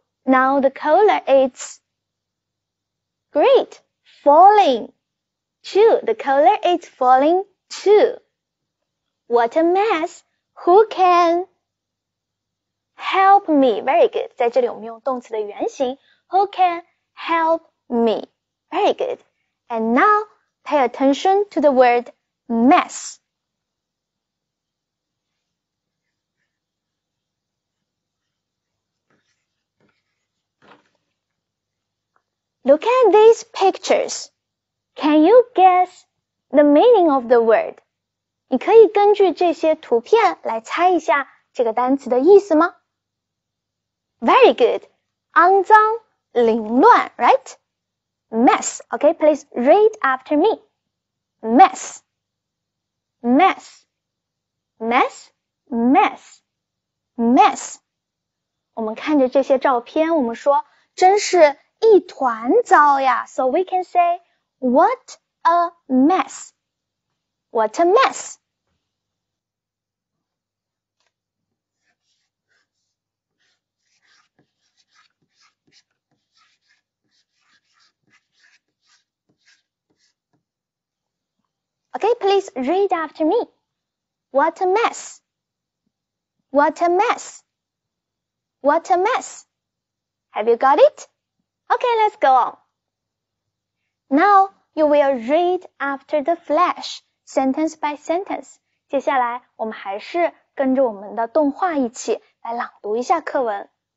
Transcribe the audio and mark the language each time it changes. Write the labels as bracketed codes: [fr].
[en] Now the cola is great. Falling too. The cola is falling too. What a mess. Who can help me? Very good. [zh] 在这里我们用动词的原形。 [en] Who can help me? Very good. And now, pay attention to the word mess. Look at these pictures. Can you guess the meaning of the word? [zh] 你可以根据这些图片来猜一下这个单词的意思吗? [en] Very good. [zh] 肮脏、凌乱, [en] right? Mess, okay, please read after me. Mess, mess, mess, mess, mess. [zh] 我们看着这些照片，我们说真是一团糟呀。 [en] So we can say, what a mess, what a mess. Okay, please read after me. What a mess. What a mess. What a mess. Have you got it? Okay, let's go on. Now, you will read after the flash, sentence by sentence. [zh] 接下来我们还是跟着我们的动画一起来朗读一下课文。